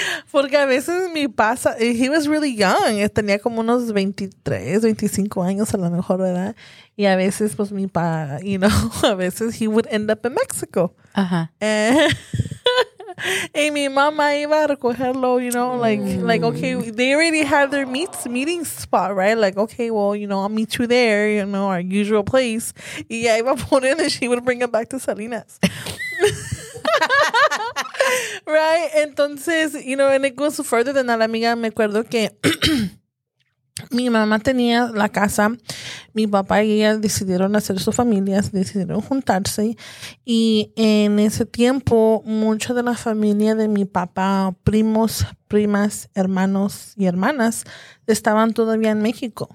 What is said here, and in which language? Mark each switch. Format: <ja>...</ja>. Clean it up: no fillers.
<es>Porque a veces mi pasa,</es> <en>he was really young.</en> <es>Tenía como unos 23, 25 años a lo mejor, ¿verdad? Y a veces, pues, mi pa, you know, a veces</es> <en>he would end up in Mexico. Uh-huh. And my mama</en> <es>iba a recogerlo,</es> <en>you know, like okay, they already had their meeting spot, right? Like, okay, well, you know, I'll meet you there, you know, our usual place.</en> <es>Y ya iba a poner</es> <en>and she would bring him back to Salinas. Right? Entonces, you know, and it goes further than that, amiga.</en> <es>Me acuerdo que mi mamá tenía la casa, mi papá y ella decidieron hacer su familia, decidieron juntarse. Y en ese tiempo, mucha de la familia de mi papá, primos, primas, hermanos y hermanas, estaban todavía en México.</es>